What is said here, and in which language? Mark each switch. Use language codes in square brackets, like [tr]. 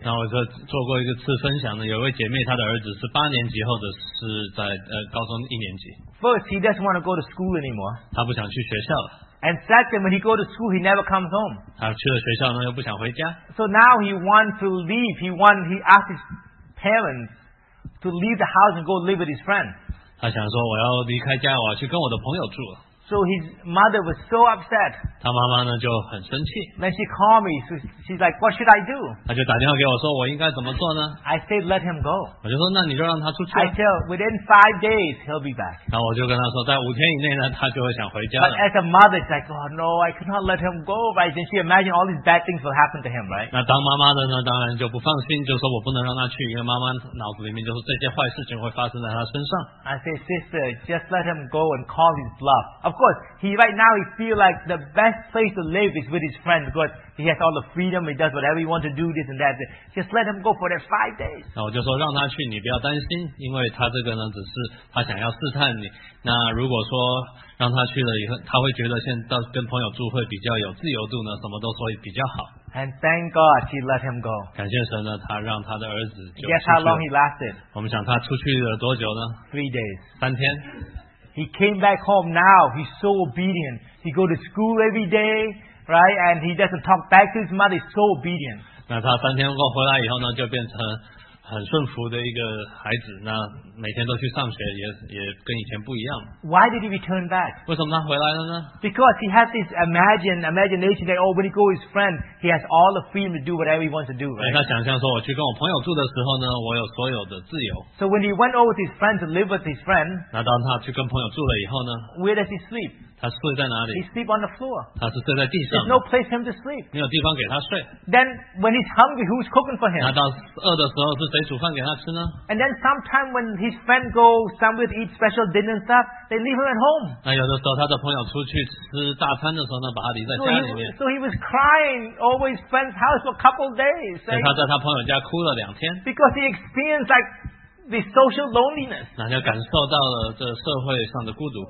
[zh] 那我做过一个次分享的，有位姐妹，她的儿子是八年级，或者是在高中一年级。 [en] First, he doesn't want to go to school anymore. [zh] 他不想去学校了。 [en] And second, when he goes to school, he never comes home. [zh] 他去了学校呢，又不想回家。 [en] So now he wants to leave. He asked his parents to leave the house and go live with his friend. [zh] 他想说我要离开家，我要去跟我的朋友住了。 [en] So his mother was so upset. [zh] 他妈妈呢就很生气。 [en] Then she called me. So she's like, "What should I do?" [zh] 他就打电话给我说，我应该怎么做呢 [en] ？I said, "Let him go." [zh] 我就说，那你就让他出去。 [en] I said, "Within 5 days, he'll be back." [zh] 然后我就跟他说，在5天以内呢，他就会想回家。 [en] But as a mother, she's like, "Oh no, I cannot let him go." Right? Then she imagined all these bad things will happen to him, right? [zh] 那当妈妈的呢，当然就不放心，就说我不能让他去，因为妈妈脑子里面就是这些坏事情会发生在他身上。 [en] I said, "Sister, just let him go and call his bluff." Of course, he feels like the best place to live is with his friends because he has all the freedom, he does whatever he wants to do, this and that. Just let him go for that 5 days. [zh] 那我就说让他去，你不要担心，因为他这个呢，只是他想要试探你。那如果说让他去了以后，他会觉得现在跟朋友住会比较有自由度呢，什么都说比较好。 [en] And thank God he let him go. [zh] 感谢神呢，他让他的儿子就出去了。 [en] Guess how long he lasted? [zh] 我们想他出去了多久呢 [en] ？3 days. [zh] 三天。 [en] He came back home now. He's so obedient. He goes to school every day, right? And he doesn't talk back to his mother. He's so obedient. [zh] 那他三天后回来以后呢，就变成很顺服的一个孩子。那每天都去上学，也跟以前不一样。 [en] Why did he return back? [zh] 为什么他回来了呢？ [en] Because he has this imagination that when he goes with his friend, he has all the freedom to do whatever he wants to do. Right? [zh] 他想象说，我去跟我朋友住的时候呢，我有所有的自由。 [en] So when he went over to his friend to live with his friend, [zh] 那当他去跟朋友住了以后呢， [en] Where does he sleep? [zh] 他睡在哪里？ [en] He sleep on the floor. [zh] 他是睡在地上。 [en] There's no place for him to sleep. [zh] 没有地方给他睡。 [en] Then when he's hungry, who's cooking for him? [zh] 那到饿的时候，是谁煮饭给他吃呢？ [en] And then sometime when his friend goes somewhere to eat special dinner and stuff, they leave him at home. [zh] 那有的时候，他的朋友出去吃大餐的时候呢，把他留在家里面。 [en] So he was crying over his friend's house for a couple of days. [zh] 他在他朋友家哭了两天。 [en] Because he experienced like the social loneliness. [zh] 那就感受到了这社会上的孤独。